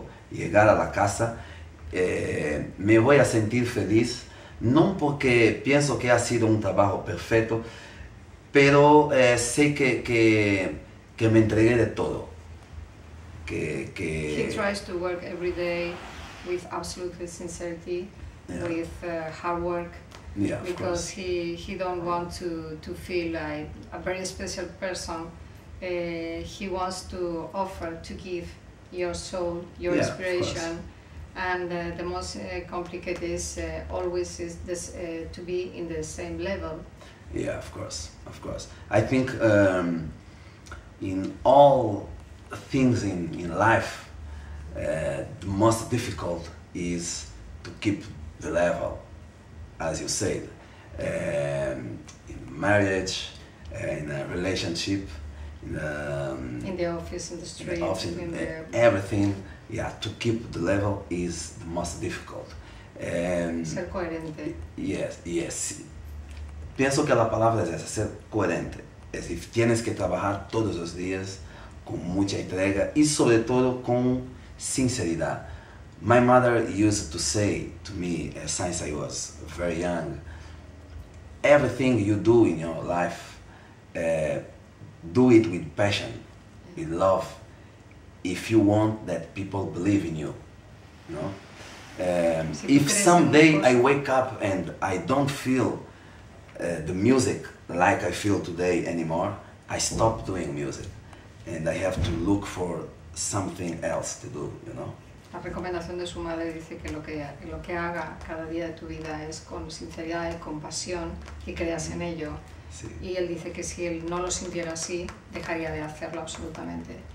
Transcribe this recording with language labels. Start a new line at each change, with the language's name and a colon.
Spanish: llegar a la casa, me voy a sentir feliz, no porque pienso que ha sido un trabajo perfecto, pero sé que me entregué de todo. Que
English: he tries to work every day with absolute sincerity, yeah. With hard work, yeah, because he don't want to feel like a very special person. He wants to offer to give your soul, your inspiration, and the most complicated is always is this to be in the same level. Yeah, of course. I think in all things in life, the most difficult is to keep the level, as you said, in marriage, in a relationship, in the office, in the street, everything, yeah, to keep the level is the most difficult.
Spanish: Ser coherente.
English: Yes.
Spanish: Pienso que la palabra es esa, ser coherente. Es decir, tienes que trabajar todos los días con mucha entrega y sobre todo con sinceridad.
English: My mother used to say to me, since I was very young, everything you do in your life, do it with passion, with love, if you want that people believe in you. No? If someday I wake up and I don't feel the music like I feel today anymore, I stop doing music. And I have to look for something else to do, you know.
Spanish: La recomendación de su madre dice que lo que haga cada día de tu vida es con sinceridad y con pasión y creas en ello. Sí. Y él dice que si él no lo sintiera así, dejaría de hacerlo absolutamente.